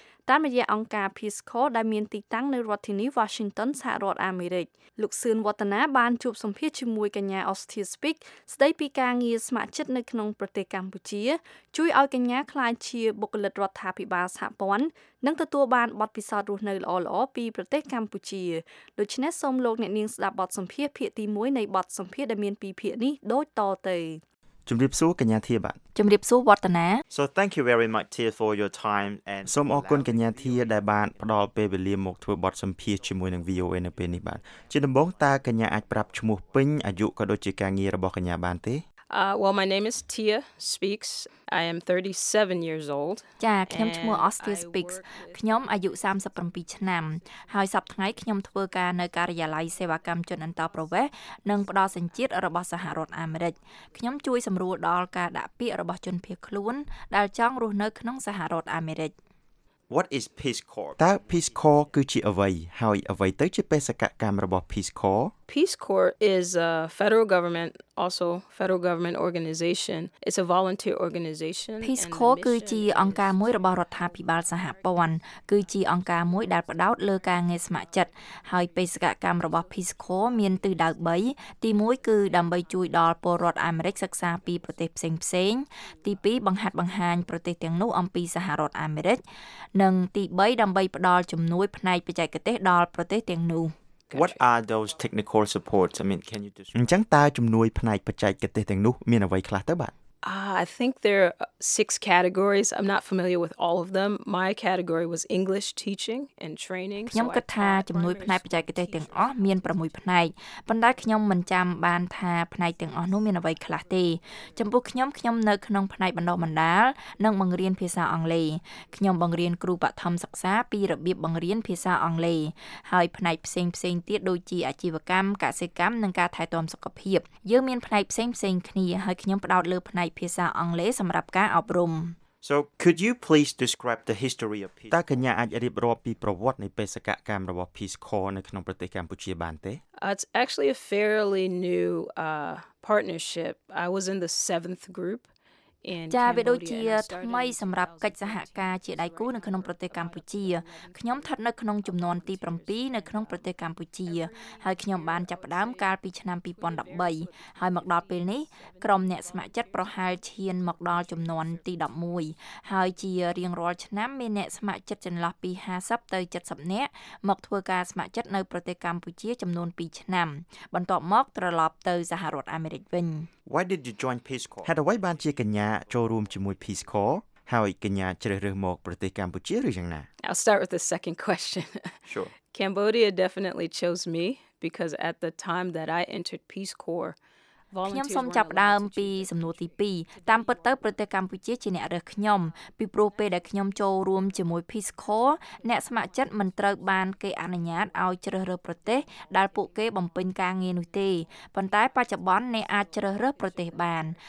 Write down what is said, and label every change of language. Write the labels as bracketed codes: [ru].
[km] តាមរយៈអង្គការ Peace Corps ដែលមានទីតាំងនៅរដ្ឋធានី Washington សហរដ្ឋអាមេរិកលោកសឿនវឌ្ឍនាបានជួបសម្ភាសជាមួយកញ្ញា Austria Speaks ស្ដីពីការងារស្ម័គ្រចិត្តនៅក្នុងប្រទេសកម្ពុជាជួយឲ្យកញ្ញាក្លាយជាបុគ្គលិករដ្ឋាភិបាលសហព័ន្ធនិងទទួលបានបទពិសោធន៍រស់នៅល្អល្អពីប្រទេសកម្ពុជាដូច្នេះសូមលោកអ្នកនាងស្ដាប់បទសម្ភាសភាគទី1នៃបទសម្ភាសដែលមានពីភាគនេះដូចតទៅ ជំរាបសួរកញ្ញាធីបាទ ជំរាបសួរវឌ្ឍនា [en] So thank you very much Tia for your time and [km] សូមអរគុណកញ្ញាធីដែលបានផ្ដល់ពេលវេលាមកធ្វើបទសម្ភាសជាមួយនឹង VOA នៅពេលនេះបាទជាដំបូងតើកញ្ញាអាចប្រាប់ឈ្មោះពេញអាយុក៏ដូចជាការងាររបស់កញ្ញាបានទេ [en] Well my name is Tia Speaks I am 37 years old [km] ចាខ្ញុំឈ្មោះ Austria Speaks ខ្ញុំអាយុ37ឆ្នាំហើយសប្ដាហ៍ខ្ញុំធ្វើការនៅការិយាល័យសេវាកម្មជនអន្តរប្រវេសន៍និងផ្ដល់សញ្ជាតិរបស់សហរដ្ឋអាមេរិកខ្ញុំជួយសម្រួលដល់ការដាក់ពាក្យរបស់ជនភៀសខ្លួនដែលចង់រស់នៅក្នុងសហរដ្ឋអាមេរិក [en] What is Peace Corps [km] តើ Peace Corps គឺជាអ្វីហើយអ្វីទៅជាបេសកកម្មរបស់ Peace Corps [en] Peace Corps is a federal government also federal government organization it's a volunteer organization [km] Peace Corps គឺជាអង្គការមួយរបស់រដ្ឋាភិបាលសហព័ន្ធគឺជាអង្គការមួយដែលផ្ដោតលើការងារស្ម័គ្រចិត្តហើយបេសកកម្មរបស់ Peace Corps មានទិសដៅ3ទី1គឺដើម្បីជួយដល់ពលរដ្ឋអាមេរិកសិក្សាពីប្រទេសផ្សេងផ្សេងទី2បង្ហាត់បង្ហាញប្រទេសទាំងនោះអំពីសហរដ្ឋអាមេរិកនិងទី3ដើម្បីផ្ដល់ជំនួយផ្នែកបច្ចេកទេសដល់ប្រទេសទាំងនោះ [en] What are those technical supports? I mean, can you describe? [km] អញ្ចឹងតើជំនួយផ្នែកបច្ចេកទេសទាំងនោះមានអ្វីខ្លះទៅបាទ? [en] I think there are 6 categories. I'm not familiar with all of them. My category was English teaching and training. [km] ខ្ញុំគិតថាជំនួយផ្នែកបច្ចេកទេសទាំងអស់មាន6ផ្នែកប៉ុន្តែខ្ញុំមិនចាំបានថាផ្នែកទាំងអស់នោះមានអ្វីខ្លះទេចំពោះខ្ញុំនៅក្នុងផ្នែកបណ្ដុះបណ្ដាលនិងបង្រៀនភាសាអង់គ្លេសខ្ញុំបង្រៀនគ្រូបឋមសិក្សាពីរបៀបបង្រៀនភាសាអង់គ្លេសហើយផ្នែកផ្សេងៗទៀតដូចជាអាជីវកម្មកសិកម្មនិងការថែទាំសុខភាពយើងមានផ្នែកផ្សេងៗគ្នាហើយខ្ញុំផ្ដោតលើផ្នែកភាសាអង់គ្លេសសម្រាប់ការអប់រំ [en] So could you please describe the history of Peace Corps? [km] តើកញ្ញាអាចរៀបរាប់ពីប្រវត្តិនៃបេសកកម្មរបស់ Peace Corps នៅក្នុងប្រទេសកម្ពុជាបានទេ? [en] It's actually a fairly new partnership. I was in the 7th group. [km] ជាវាដូចជាថ្មីសម្រាប់កិច្ចសហការជាដៃគូនៅក្នុងប្រទេសកម្ពុជាខ្ញុំស្ថិតនៅក្នុងជំនាន់ទី7នៅក្នុងប្រទេសកម្ពុជាហើយខ្ញុំបានចាប់ផ្ដើមកាលពីឆ្នាំ2013ហើយមកដល់ពេលនេះក្រុមអ្នកស្ម័គ្រចិត្តប្រហែលឈានមកដល់ជំនាន់ទី11ហើយជារៀងរាល់ឆ្នាំមានអ្នកស្ម័គ្រចិត្តចន្លោះពី50ទៅ70នាក់មកធ្វើការស្ម័គ្រចិត្តនៅប្រទេសកម្ពុជាចំនួន2ឆ្នាំបន្ទាប់មកត្រឡប់ទៅសហរដ្ឋអាមេរិកវិញ [en] Why did you join Peace Corps? [km] ហេតុអ្វីបានជាកញ្ញាចូលរួមជាមួយ Peace Corps? ហើយកញ្ញាជ្រើសរើសមកប្រទេសកម្ពុជាឬយ៉ាងណា? [en] I'll start with the second question. Sure. Cambodia definitely chose me because at the time that I entered Peace Corps, [km] ខ្ញុំសូមចាប់ផ្ដើមពីសំណួរទី2តាមពិតទៅប្រទេសកម្ពុជាជាអ្នករើសខ្ញុំពីព្រោះពេលដែលខ្ញុំចូលរួមជាមួយ Peace Corps អ្នកស្ម័គ្រចិត្តមិនត្រូវបានគេអនុញ្ញាតឲ្យជ្រើសរើសប្រទេសដែលពួកគេបំពេញការងារនោះទេប៉ុន្តែបច្ចុប្បន្នអ្នកអាចជ្រើសរើសប្រទេសបាន